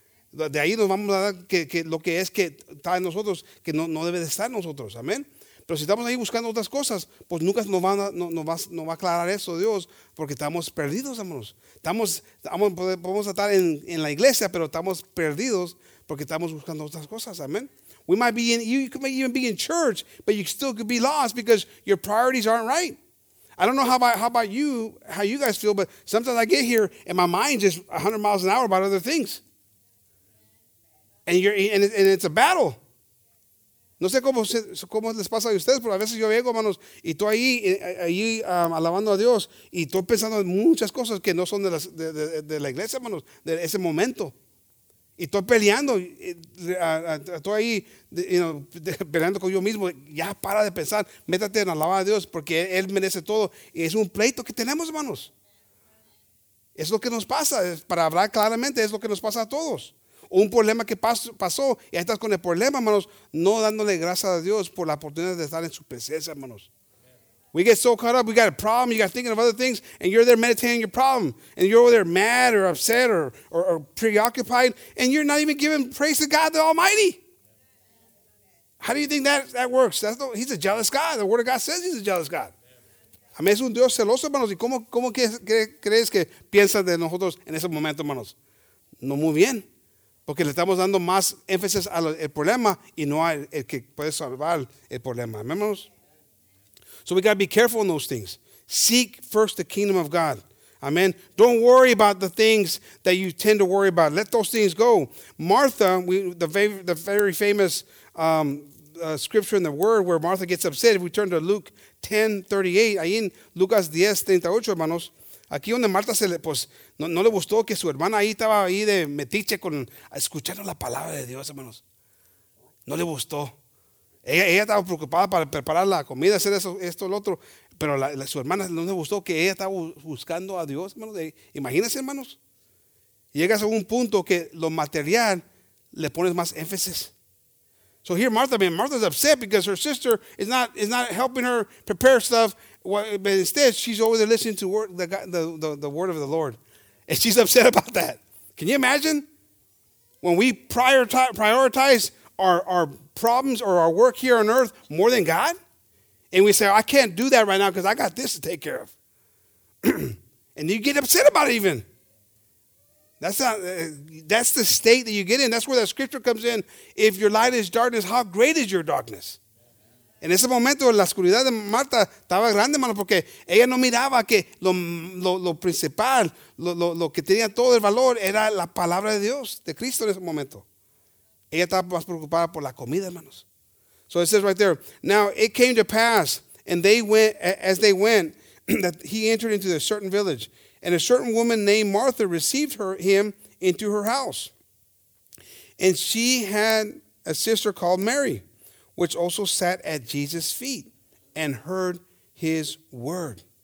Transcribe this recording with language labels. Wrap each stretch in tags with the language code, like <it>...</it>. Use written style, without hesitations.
<es>De ahí nos vamos a dar que lo que es que está en nosotros, que no debe de estar en nosotros, amén. Pero si estamos ahí buscando otras cosas, pues nunca nos va a aclarar eso Dios, porque estamos perdidos, hermanos. Podemos estar en la iglesia, pero estamos perdidos porque estamos buscando otras cosas, amén.</es> <en>We might be in, you could maybe even be in church, but you still could be lost because your priorities aren't right. I don't know how you guys feel, but sometimes I get here and my mind just 100 miles an hour about other things. And it's a battle.</en> <es>No sé cómo les pasa a ustedes, pero a veces yo llego, hermanos, y estoy ahí alabando a Dios, y estoy pensando en muchas cosas que no son de la iglesia, hermanos, de ese momento. Y estoy peleando, estoy ahí,</es> <en>you know,</en> <es>peleando con yo mismo. Ya para de pensar, métate en alabar a Dios, porque Él merece todo. Y es un pleito que tenemos, hermanos. Es lo que nos pasa, para hablar claramente, es lo que nos pasa a todos. Un problema que pasó, y ahí estás con el problema, hermanos, no dándole gracias a Dios por la oportunidad de estar en su presencia, hermanos.</es> <en>Amen. We get so caught up, we got a problem, you got thinking of other things, and you're there meditating your problem, and you're over there mad or upset or preoccupied, and you're not even giving praise to God the Almighty. Amen. How do you think that works? He's a jealous God. The Word of God says he's a jealous God.</en> <es>Amén. Es un Dios celoso, hermanos. ¿Y cómo crees que piensas de nosotros en ese momento, hermanos? No muy bien. Porque le estamos dando más énfasis al problema y no al que puede salvar el problema. Amén, hermanos.</es> <en>So we got to be careful in those things. Seek first the kingdom of God. Amen. Don't worry about the things that you tend to worry about. Let those things go. Martha, the very famous scripture in the word where Martha gets upset. If we turn to Luke 10:38,</en> <es>ahí en Lucas 10:38, hermanos. Aquí donde Marta se le, pues, no le gustó que su hermana ahí estaba ahí de metiche con escuchando la palabra de Dios, hermanos. No le gustó. Ella estaba preocupada para preparar la comida, hacer eso, esto, lo otro. Pero su hermana no le gustó que ella estaba buscando a Dios, hermanos. Imagínense, hermanos. Llegas a un punto que lo material le pones más énfasis.</es> <en>So here Martha, man, Martha's upset because her sister is not helping her prepare stuff. But instead, she's over there listening to the word of the Lord. And she's upset about that. Can you imagine? When we prioritize our problems or our work here on earth more than God, and we say, I can't do that right now because I got this to take care of. And you get upset about it even. That's the state that you get in. That's where that scripture comes in. If your light is darkness, how great is your darkness?</en> <es>En ese momento, la oscuridad de Marta estaba grande, hermano, porque ella no miraba que lo principal, lo que tenía todo el valor, era la palabra de Dios, de Cristo en ese momento. Ella estaba más preocupada por la comida, hermanos.</es> <en>So it says right there, now it came to pass, and they went, as they went, that he entered into a certain village, and a certain woman named Martha received him into her house. And she had a sister called Mary, which also sat at Jesus' feet and heard his word.</en>